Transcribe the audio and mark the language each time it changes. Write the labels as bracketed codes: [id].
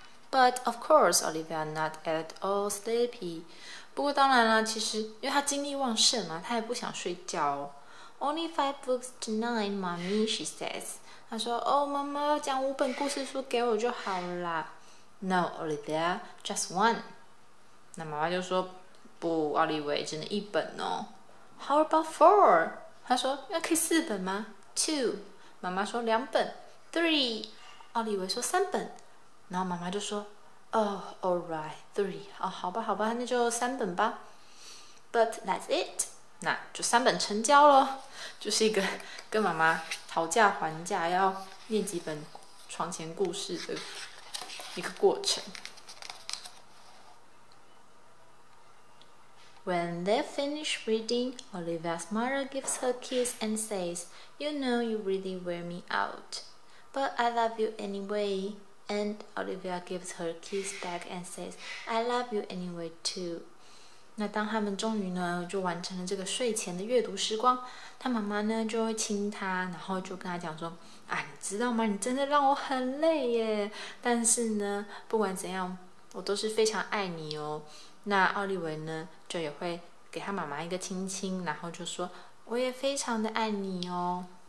[en] But of course, Olivia not at all sleepy. [zh] 不过当然啦，其实因为她精力旺盛嘛，她也不想睡觉哦。 [en] Only 5 books to 9, mommy, she says. [zh] 她说，哦，妈妈，讲5本故事书给我就好了啦。 [en] No, Olivia, just 1. [zh] 那妈妈就说，不，奥利维，只能一本哦。 [en] How about 4? [zh] 她说，那可以4本吗？ [en] 2. [zh] 妈妈说2本。 [en] 3. [zh] 奥利维说3本。然后妈妈就说 [en] Oh, alright, 3. [zh] 哦，好吧，好吧，那就3本吧。 [en] But that's it. [zh] 那就3本成交咯。就是一个跟妈妈讨价还价要念几本床前故事的一个过程。 [en] When they finish reading, Olivia's mother gives her kiss and says, You know you really wear me out. But I love you anyway. And Olivia gives her kiss back and says, I love you anyway too. [zh] 那当他们终于呢就完成了这个睡前的阅读时光，他妈妈呢就会亲他，然后就跟他讲说，啊，你知道吗，你真的让我很累耶，但是呢不管怎样我都是非常爱你哦。那奥利维呢就也会给他妈妈一个亲亲，然后就说，我也非常的爱你哦。